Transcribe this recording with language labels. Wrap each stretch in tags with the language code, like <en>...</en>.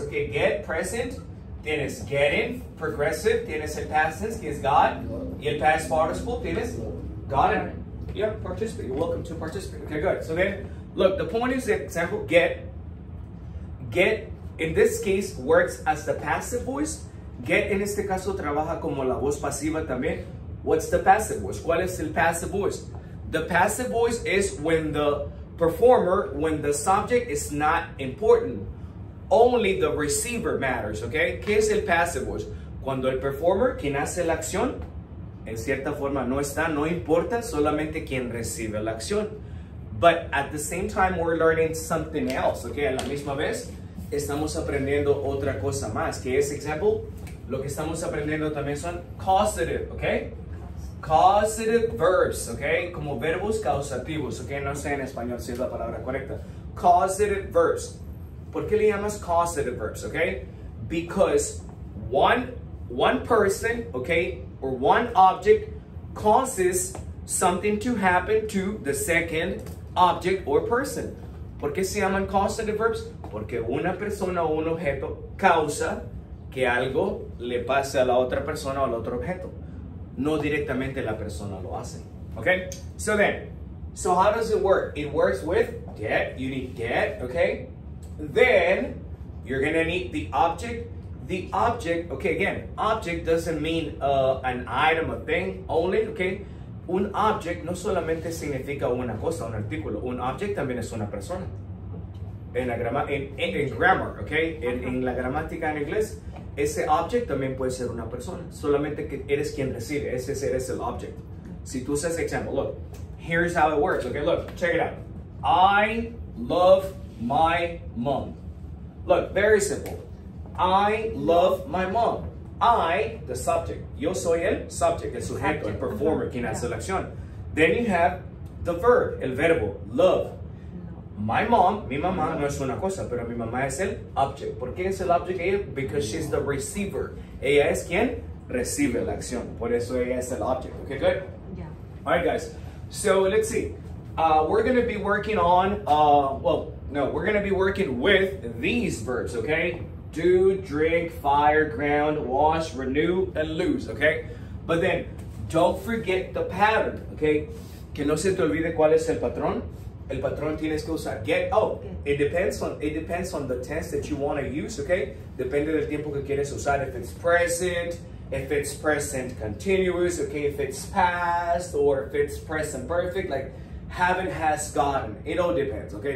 <en>Okay, get, present, tienes getting, progressive,</en> <es>tienes el past tense, que es got, y el past participle, tienes...</es> <en>Got it. Yeah, participate. You're welcome to participate. Okay, good. So then, look, the point is, example, get. Get, in this case, works as the passive voice.</en> <es>Get, en este caso, trabaja como la voz pasiva también.</es> <en>What's the passive voice?</en> <es>¿Cuál es el</es> <en>passive voice? The passive voice is when the performer, when the subject is not important. Only the receiver matters, okay?</en> <es>¿Qué es el</es> <en>passive voice?</en> <es>Cuando el performer, quien hace la acción, en cierta forma no está, no importa, solamente quien recibe la acción.</es> <en>But at the same time, we're learning something else, okay?</en> <es>A la misma vez, estamos aprendiendo otra cosa más. Que es, example, lo que estamos aprendiendo también son causative, okay?</es> <en>Causative verbs, okay?</en> <es>Como verbos causativos,</es> <en>okay?</en> <es>No sé en español si es la palabra correcta.</es> <en>Causative verbs.</en> <es>¿Por qué le llamas</es> <en>causative verbs, okay? Because one person, okay, or one object causes something to happen to the second object or person.</en> <es>¿Por qué se llaman causative verbs? Porque una persona o un objeto causa que algo le pase a la otra persona o al otro objeto. No directamente la persona lo hace.</es> <en>Okay? So then, so how does it work? It works with get. You need get, okay? Then, you're gonna need the object. The object, okay, again, object doesn't mean an item, a thing, only, okay?</en> <es>Un object no solamente significa una cosa, un artículo. Un object también es una persona. En grammar, okay? En la gramática en inglés, ese object también puede ser una persona. Solamente que eres quien recibe, ese ser es el object. Si tú usas</es> <en>example, look, here's how it works, okay? Look, check it out. I love my mom. Look, very simple. I love my mom. I, the subject.</en> <es>Yo soy el subject, el sujeto, el performer, quien hace la acción.</es> <en>Then you have the verb,</en> <es>el verbo, love. My mom, mi mamá, no es una cosa, pero mi mamá es el object. ¿Por qué es el object ella?</es> <en>Because she's the receiver.</en> <es>Ella es quien recibe la acción. Por eso ella es el object. Okay, good?</es> <en>Yeah. All right, guys. So, let's see. We're going to be working on, we're going to be working with these verbs, okay? Do, drink, fire, ground, wash, renew, and lose, okay? But then, don't forget the pattern, okay?</en> <es>Que no se te olvide cuál es el patrón. El patrón tienes que usar get.</es> <en>Oh, it depends on the tense that you want to use, okay?</en> <es>Depende del tiempo que quieres usar.</es> <en>If it's present, continuous, okay? If it's past, or if it's present perfect, like haven't, has, gotten. It all depends, okay?</en>